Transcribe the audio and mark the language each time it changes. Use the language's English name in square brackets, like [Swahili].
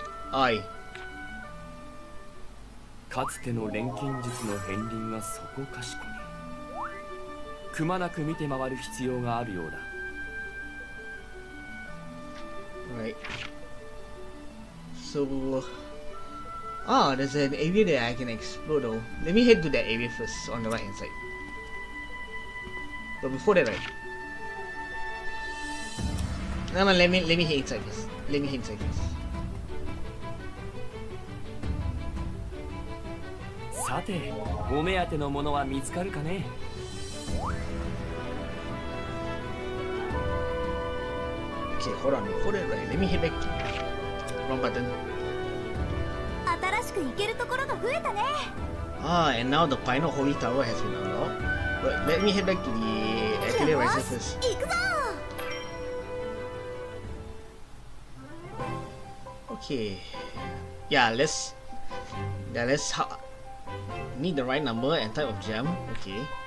[Japanese] はい。かつての錬金術の片鱗がそこかしこに。くまなく見て回る必要があるようだ。はい。そう。 [English] Oh, there's an area that I can explore though. Let me head to that area first on the right hand side. But before that, right? No, no, let me head inside first. Let me head inside first. [Japanese] さて、お目当てのものは見つかるかね。 [English] Okay, hold on, hold it right. Let me hit back. Wrong button. [Japanese] 新しく行けるところが増えたね。 [English] Ah, and now the Pynnor Holy Tower has been unlocked. But let me hit back to the Atelier Ryza first. [Japanese] 行くぞ。 [English] Okay. Yeah, let's need the right number and type of gem. Okay.